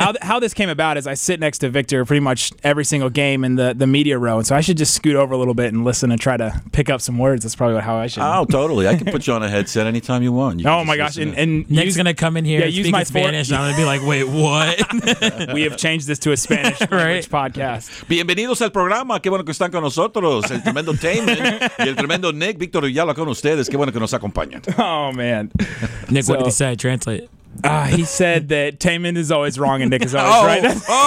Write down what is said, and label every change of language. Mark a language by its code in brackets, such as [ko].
[en] how this came about is I sit next to Victor pretty much every single game in the media row, and so I should just scoot over a little bit and listen and try to pick up some words. That's probably how I should. Oh, totally. I can put you on a headset anytime you want. You oh, my gosh. And Nick's going to come in here and speak my Spanish, and I'm going to be like, wait, what? We have changed this to a Spanish right? podcast. [es] Bienvenidos al programa. Qué bueno que están con nosotros. El tremendo Taman y el tremendo Nick. Victor Villalba con ustedes. Qué bueno que nos acompañan. [en] Oh, man. Nick, what did he say? Translate. He said that Taman is always wrong and Nick is always right.